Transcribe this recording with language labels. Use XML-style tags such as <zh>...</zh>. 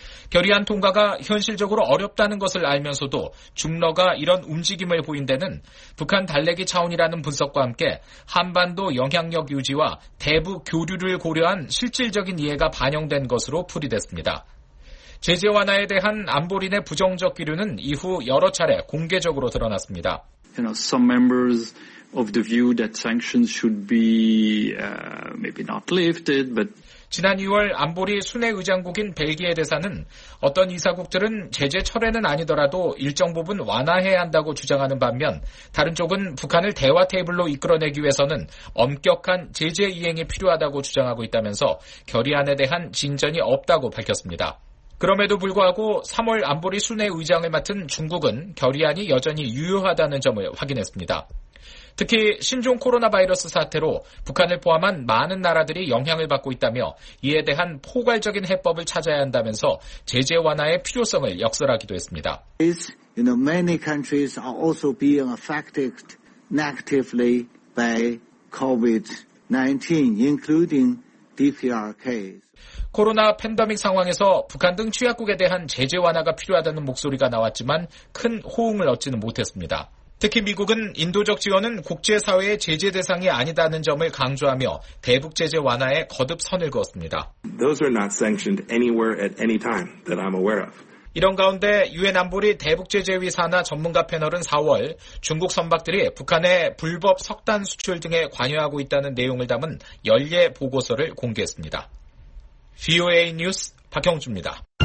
<ko>결의안 통과가 현실적으로 어렵다는 것을 알면서도 중러가 이런 움직임을 보인 데는 북한 달래기 차원이라는 분석과 함께 한반도 영향력 유지와 대북 교류를 고려한 실질적인 이해가 반영된 것으로 풀이됐습니다. 제재 완화에 대한 안보리 내 부정적 기류는 이후 여러 차례 공개적으로 드러났습니다.</ko> <en>You know, some members of the view that sanctions should be maybe not lifted, but</en> <ko>지난 2월 안보리 순회 의장국인 벨기에 대사는 어떤 이사국들은 제재 철회는 아니더라도 일정 부분 완화해야 한다고 주장하는 반면 다른 쪽은 북한을 대화 테이블로 이끌어내기 위해서는 엄격한 제재 이행이 필요하다고 주장하고 있다면서 결의안에 대한 진전이 없다고 밝혔습니다. 그럼에도 불구하고 3월 안보리 순회 의장을 맡은 중국은 결의안이 여전히 유효하다는 점을 확인했습니다. 특히 신종 코로나 바이러스 사태로 북한을 포함한 많은 나라들이 영향을 받고 있다며 이에 대한 포괄적인 해법을 찾아야 한다면서 제재 완화의 필요성을 역설하기도 했습니다.</ko> <en>You know, many countries are also being affected negatively by COVID-19, including DPRK.</en> <ko>코로나 팬데믹 상황에서 북한 등 취약국에 대한 제재 완화가 필요하다는 목소리가 나왔지만 큰 호응을 얻지는 못했습니다. 특히 미국은 인도적 지원은 국제사회의 제재 대상이 아니다는 점을 강조하며 대북 제재 완화에 거듭 선을 그었습니다.</ko> <en>Those are not sanctioned anywhere at any time that I'm aware of.</en> <ko>이런 가운데 유엔 안보리 대북제재위 산하 전문가 패널은 4월 중국 선박들이 북한의 불법 석탄 수출 등에 관여하고 있다는 내용을 담은 연례 보고서를 공개했습니다. VOA 뉴스 박형주입니다.</ko>